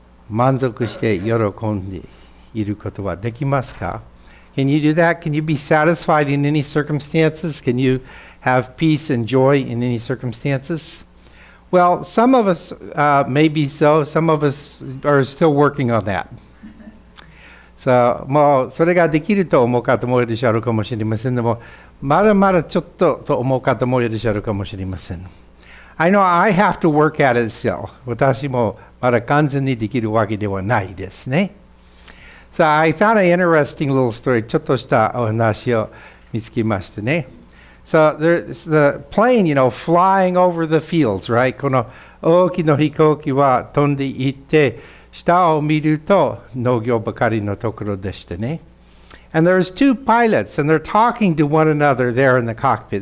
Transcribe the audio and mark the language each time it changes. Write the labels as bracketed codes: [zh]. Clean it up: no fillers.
[ja] 満足して喜んで、いることはできますか? [en] Can you do that? Can you be satisfied in any circumstances? Can you have peace and joy in any circumstances? Well, some of us may be so. Some of us are still working on that. [ja] So, もうそれができると思うかと思うでしょうかもしれませんでも、まだまだちょっとと思うかと思うでしょうかもしれません。 [en] I know I have to work at it still. [ja] 私もまだ完全にできるわけではないですね。 [en] So I found an interesting little story. [ja] ちょっとしたお話を見つけましたね。 [en] So there's the plane, you know, flying over the fields, right? [ja] この大きな飛行機は飛んでいって、下を見ると農業ばかりのところでしたね。 [en] And there's two pilots, and they're talking to one another there in the cockpit.